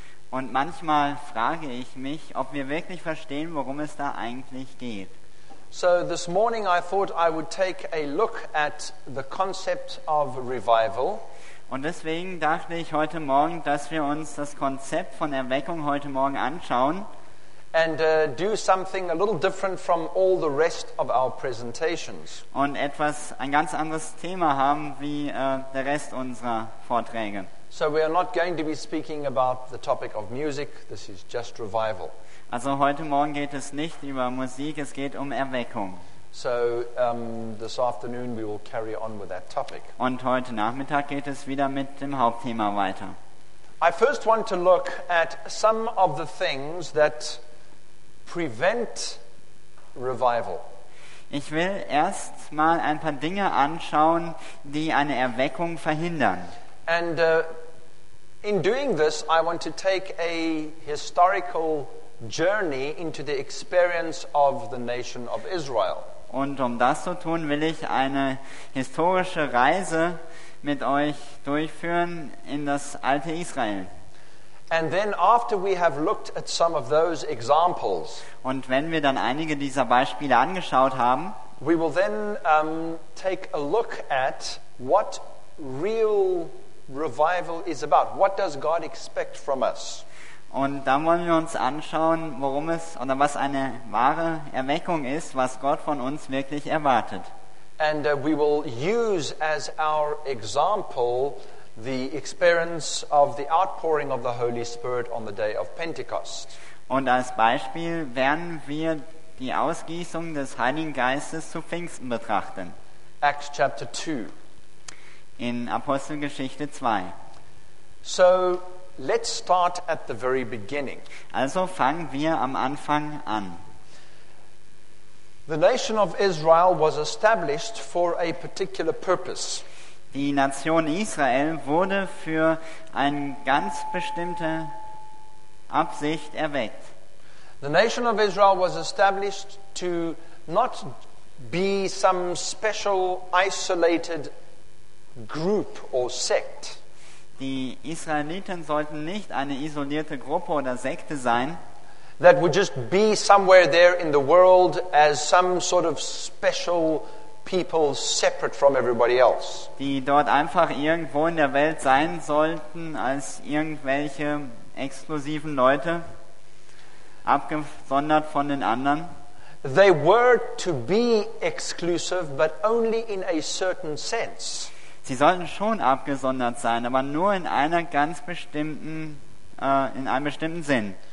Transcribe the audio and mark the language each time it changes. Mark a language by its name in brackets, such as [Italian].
[German] Und manchmal frage ich mich, ob wir wirklich verstehen, worum es da eigentlich geht. [English] So this morning I thought I would take a look at the concept of revival. [German] Und deswegen dachte ich heute Morgen, dass wir uns das Konzept von Erweckung heute Morgen anschauen. [English] And do something a little different from all the rest of our presentations. [German] Und etwas ein ganz anderes Thema haben wie der Rest unserer Vorträge. [English] So we are not going to be speaking about the topic of music. This is just revival. [German] Also heute Morgen geht es nicht über Musik. Es geht um Erweckung. [English] So this afternoon we will carry on with that topic. [German] Und heute Nachmittag geht es wieder mit dem Hauptthema weiter. [English] I first want to look at some of the things that prevent revival. [German] Ich will erst mal ein paar Dinge anschauen, die eine Erweckung verhindern. [English] And in doing this, I want to take a historical journey into the experience of the nation of Israel. [German] Und um das zu tun, will ich eine historische Reise mit euch durchführen in das alte Israel. [English] And then after we have looked at some of those examples, [German] und wenn wir dann einige dieser Beispiele angeschaut haben, [English] we will then take a look at what real revival is about. What does God expect from us? [German] Und dann wollen wir uns anschauen, worum es oder was eine wahre Erweckung ist, was Gott von uns wirklich erwartet. [English] And we will use as our example the experience of the outpouring of the Holy Spirit on the day of Pentecost. [German] Und als Beispiel werden wir die Ausgießung des Heiligen Geistes zu Pfingsten betrachten. [English] Acts chapter 2. [German] In Apostelgeschichte 2. [English] So let's start at the very beginning. [German] Also fangen wir am Anfang an. [English] The nation of Israel was established for a particular purpose. [German] Die Nation Israel wurde für eine ganz bestimmte Absicht erweckt. [English] The nation of Israel was established to not be some special isolated group or sect. [German] Die Israeliten sollten nicht eine isolierte Gruppe oder Sekte sein. [English] That would just be somewhere there in the world as some sort of special people separate from everybody else. [German] Die dort einfach irgendwo in der Welt sein sollten als irgendwelche exklusiven Leute, abgesondert von den anderen. [English] They were to be exclusive, but only in a certain sense. [German] Sie sollten schon abgesondert sein, aber nur in einer ganz bestimmten, in einem bestimmten Sinn.